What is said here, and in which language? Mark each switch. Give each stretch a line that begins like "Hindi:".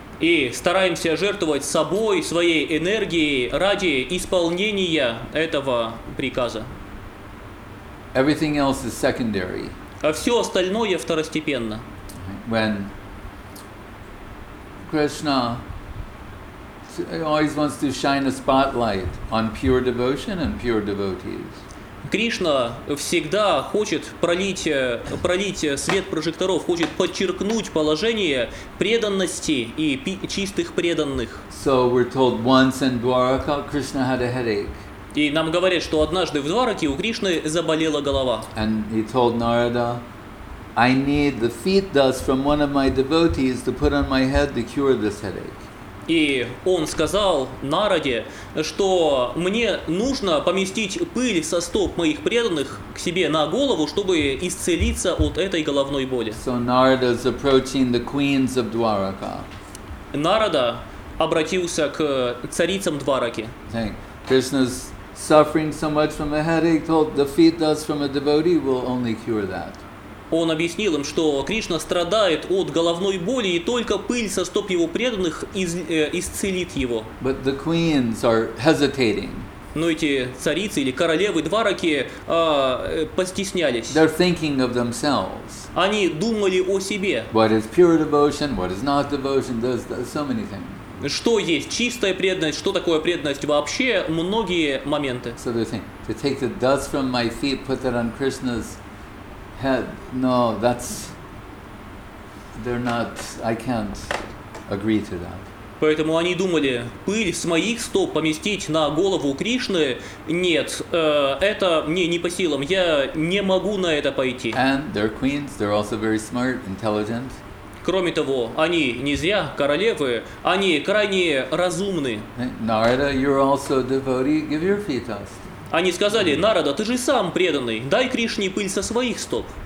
Russian: И стараемся жертвовать собой, своей энергией ради исполнения этого приказа.
English: Everything else is secondary.
Russian: А все остальное второстепенно.
English: When Krishna always wants to shine a spotlight on pure devotion and pure devotees.
Russian: Кришна всегда хочет пролить свет прожекторов, хочет подчеркнуть положение преданности и чистых преданных.
English: So we're told once in Dwaraka, Krishna had a headache.
Russian: И нам говорят, что однажды в Двараке у Кришны заболела голова.
English: And he told Narada, I need the feet dust from one of my devotees to put on my head to cure this headache.
Russian: И он сказал Нараде, что мне нужно поместить пыль со стоп моих преданных к себе на голову, чтобы исцелиться от этой головной боли.
English: So Narada is approaching the queens of Dwaraka.
Russian: Нарада обратился к царицам Двараки.
English: Krishna's suffering so much from a headache, told the feet dust from a devotee will only cure that.
Russian: Он объяснил им, что Кришна страдает от головной боли, и только пыль со стоп его преданных исцелит его.
English: But the queens are hesitating.
Russian: Но эти царицы или королевы Двараки постеснялись.
English: They're thinking of themselves.
Russian: Они думали о себе.
English: What is pure devotion, what is not devotion, there's so many things.
Russian: Что есть чистая преданность, что такое преданность вообще, многие моменты.
English: So they're thinking, to take the dust from my feet, put that on Krishna's head. No, that's, they're not, I can't agree to that.
Russian: Поэтому они думали, пыль с моих стоп поместить на голову Кришны, нет, это мне не по силам, я не могу на это пойти.
English: And they're queens, they're also very smart, intelligent.
Russian: Кроме того, они не зря королевы, они крайне разумны.
English: Narada, you're also a devotee, give your feet dust.
Russian: Они сказали, Нарада, ты же сам преданный, дай Кришне пыль со своих стоп.